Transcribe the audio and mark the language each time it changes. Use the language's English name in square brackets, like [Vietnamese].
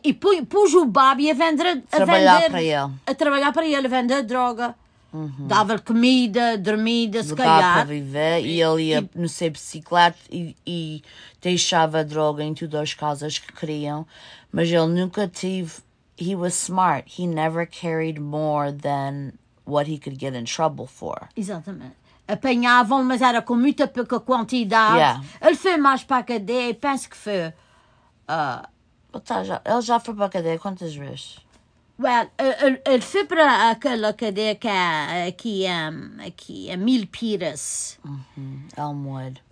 [Portuguese] E pôs o Bobby a vender. Trabalhar para ele, a vender droga. Uhum. Dava-lhe comida, dormida, se calhar. Para viver e ele ia, não sei, bicicleta e deixava a droga em todas as casas que queriam. Mas ele nunca teve... [English] He was smart. He never carried more than what he could get in trouble for. [Portuguese] Exatamente. Apanhavam, mas era com muita pouca quantidade. [English] Yeah. [Portuguese] Ele foi mais para a cadeia, penso que foi... Ele já foi para a cadeia quantas vezes? [English] Well, [Portuguese] ele foi para aquela cadeia que é aqui, a Mil Pires. Uh-huh. Elmwood.